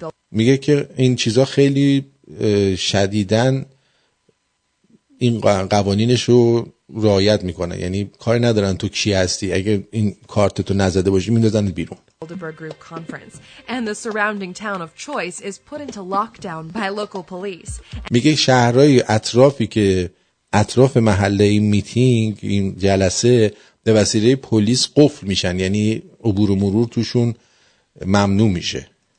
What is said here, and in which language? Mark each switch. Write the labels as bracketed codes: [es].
[fa] میگه که این چیزا خیلی شدیدن این قوانینشو رعایت میکنه، یعنی کار ندارن تو کی هستی، اگه این کارتتو نزده باشی میندازن بیرون. [en] Bilderberg group conference and the surrounding town of choice is put into lockdown by local police. [fa] میگه شهرهای اطرافی که اطراف محله این میتینگ این جلسه به وسیله پلیس قفل میشن، یعنی عبور و مرور توشون ممنوع میشه.